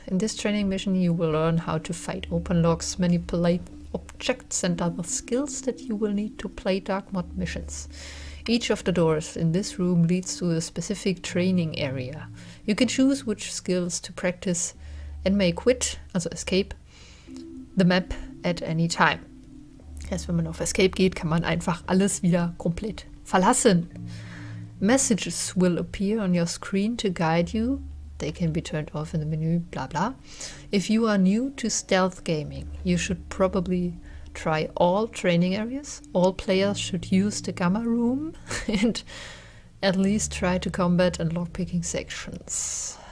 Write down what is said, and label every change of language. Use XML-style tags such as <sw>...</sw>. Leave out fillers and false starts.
<en>In this training mission, you will learn how to fight open locks, manipulate objects and other skills that you will need to play Dark Mod missions. Each of the doors in this room leads to a specific training area. You can choose which skills to practice and may quit, also escape, the map at any time.</en> <de>Erst wenn man auf Escape geht, kann man einfach alles wieder komplett verlassen.</de> <en>Messages will appear on your screen to guide you. They can be turned off in the menu, bla bla. If you are new to stealth gaming, you should probably try all training areas. All players should use the Gamma Room and at least try to combat and lockpicking sections.</en>